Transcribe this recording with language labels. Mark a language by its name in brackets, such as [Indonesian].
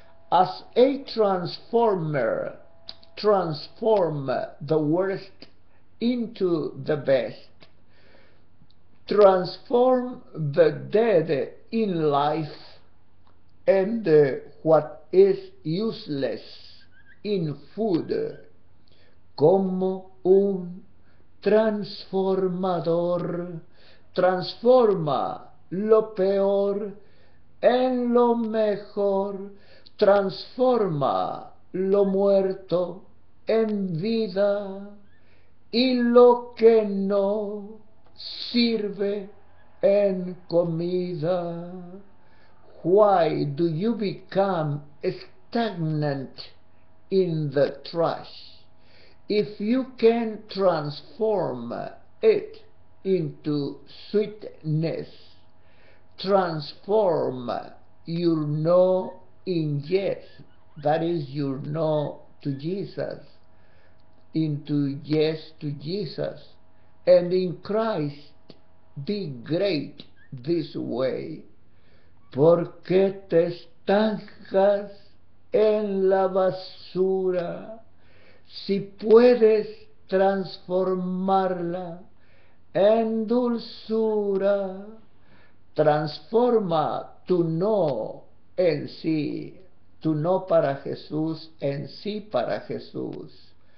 [English] As a transformer, transform the worst into the best. Transform the dead in life, and what is useless in food. [Spanish] Como un transformador, transforma lo peor en lo mejor, transforma lo muerto en vida y lo que no sirve en comida. [English] Why do you become stagnant in the trash if you can transform it into sweetness? Transform your no in yes, that is your no to Jesus, into yes to Jesus, and in Christ be great this way. [Spanish] ¿Por qué te estancas en la basura si puedes transformarla en dulzura? Transforma tu no en sí, tu no para Jesús en sí para Jesús.